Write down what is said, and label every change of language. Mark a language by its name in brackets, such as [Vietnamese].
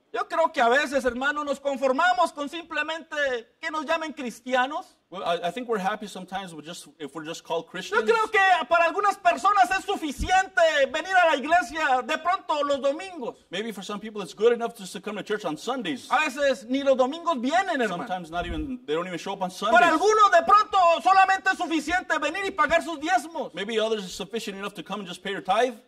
[Spanish] Yo creo que a veces, hermano, nos conformamos con simplemente que nos llamen cristianos. [English] Well, I think we're happy sometimes if we're just called Christians. [Spanish] Yo creo que para algunas personas es suficiente venir a la iglesia de pronto los domingos. [English] Maybe for some people it's good enough just to come to church on Sundays. [Spanish] A veces ni los domingos vienen, hermano. [English] Sometimes not even, they don't even show up on Sundays. [Spanish] Para algunos de pronto solamente es suficiente venir y pagar sus diezmos. [English] Maybe others it's sufficient enough to come and just pay your tithe.